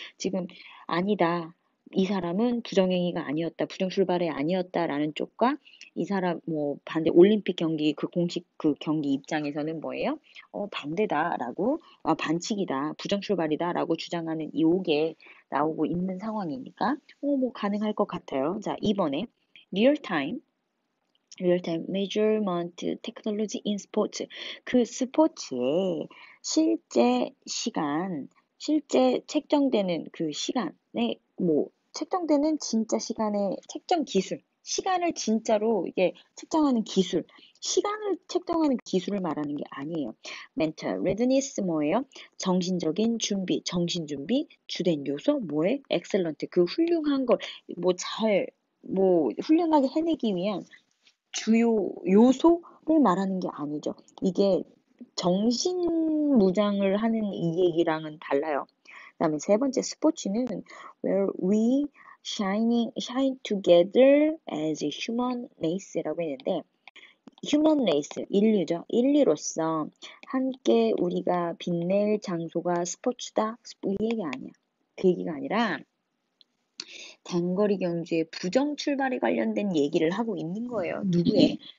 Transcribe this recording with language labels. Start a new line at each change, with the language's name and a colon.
Korean: 지금 아니다. 이 사람은 부정행위가 아니었다, 부정 출발이 아니었다라는 쪽과 이 사람 뭐 반대 올림픽 경기 그 공식 그 경기 입장에서는 뭐예요? 반대다라고 반칙이다, 부정 출발이다라고 주장하는 요게 나오고 있는 상황이니까 뭐 가능할 것 같아요. 자, 이번에 리얼 타임
English: Real-time measurement technology in sports.
Korean: 그 스포츠의 실제 시간, 실제 책정되는 그 시간에, 뭐, 책정되는 진짜 시간의 책정 기술. 시간을 진짜로 이게 측정하는 기술, 시간을 측정하는 기술을 말하는 게 아니에요.
English: Mental readiness
Korean: 뭐예요? 정신적인 준비, 정신 준비, 주된 요소 뭐예요?
English: Excellent
Korean: 그 훌륭한 걸뭐잘뭐 훌륭하게 해내기 위한 주요 요소를 말하는 게 아니죠. 이게 정신 무장을 하는 이 얘기랑은 달라요. 그다음에 세 번째 스포츠는
English: where we shine together as a human race
Korean: 라고 했는데, human race, 인류죠. 인류로서 함께 우리가 빛낼 장소가 스포츠다. 이 얘기 아니야. 그 얘기가 아니라, 단거리 경주의 부정 출발에 관련된 얘기를 하고 있는 거예요. 누구의?